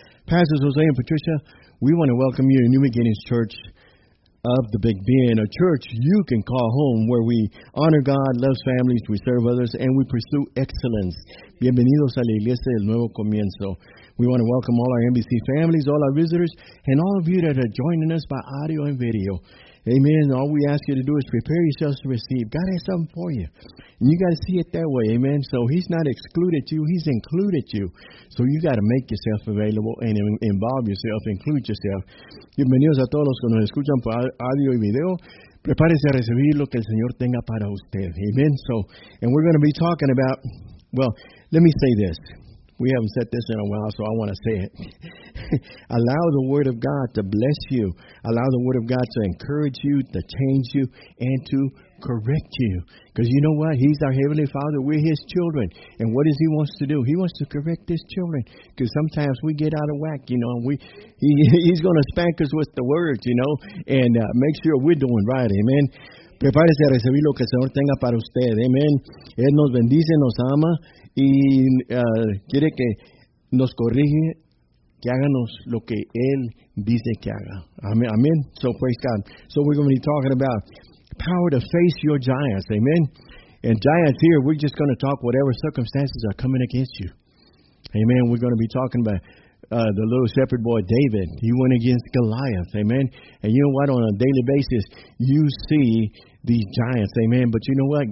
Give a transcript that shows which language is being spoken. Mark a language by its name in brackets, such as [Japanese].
[English] Pastors Jose and Patricia, we want to welcome you to New Beginnings Church of the Big Bend, a church you can call home, where we honor God, love families, we serve others, and we pursue excellence. [Spanish] Bienvenidos a la Iglesia del Nuevo Comienzo. [English] We want to welcome all our NBC families, all our visitors, and all of you that are joining us by audio and video. Amen. All we ask you to do is prepare yourselves to receive. God has something for you. And you got to see it that way. Amen. So He's not excluded you. He's included you. So you got to make yourself available and involve yourself, include yourself. [Spanish] Bienvenidos a todos los que nos escuchan por audio y video. Prepárese a recibir lo que el Señor tenga para usted. Amen. [English] So, and we're going to be talking about, well, let me say this. We haven't said this in a while, so I want to say it. Allow the Word of God to bless you. Allow the Word of God to encourage you, to change you, and to correct you. Because you know what? He's our Heavenly Father. We're His children. And what does He want to do? He wants to correct His children. Because sometimes we get out of whack, you know. And he's going to spank us with the Word, you know, and make sure we're doing right. Amen. [Spanish] Prepárese a recibir lo que el Señor tenga para usted. Amen. Él nos bendice, nos ama. Y quiere que nos corrige, que háganos lo que Él dice que haga. [English] Amen. Amen. So, praise God. So, we're going to be talking about power to face your giants. Amen. And giants here, we're just going to talk whatever circumstances are coming against you. Amen. We're going to be talking about the little shepherd boy, David. He went against Goliath. Amen. And you know what? On a daily basis, you see these giants. Amen. But you know what?